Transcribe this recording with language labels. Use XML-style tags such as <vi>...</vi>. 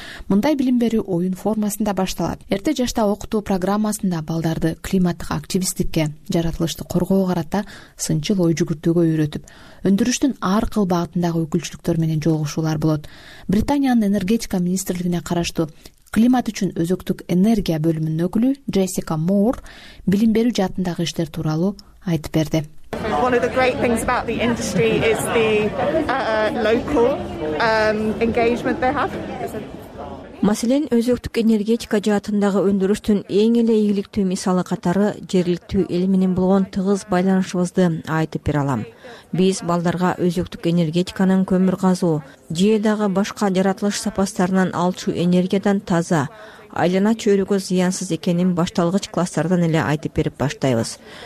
<ky>Мындай билим берүү оюн формасында башталат. Эрте жашта окутуу программасында балдарды климаттык активисттикке, жаратылышты коргоого карата сынчыл ой жүгүртүүгө үйрөтүп, өндүрүштүн ар кыл багытындагы өкүлчүлүктөр менен жолугушуулар болот. Британиянын энергетика министрлигине караштуу климат үчүн өзөктүк энергия бөлүмүнүн өкүлү Джессика Моор билим берүү жаатындагы иштер тууралуу айтып берди.</ky> <en>One of the great things about the industry is the local engagement they have.</en> <ky>Маселен, өзөктүк энергетика жаатындагы өндүрүштүн эң эле ийгиликтүү мисалы катары жергиликтүү эл менен болгон тыгыз байланышыбызды айтып бере алам. Биз балдарга өзөктүк энергетиканын көмүр казуу, жээ дагы башка жаратылыш сапастарынан алчу энергиядан таза, айлана чөйрөгө зыянсыз экенин башталгыч класстардан эле айтып берип баштайбыз.</ky>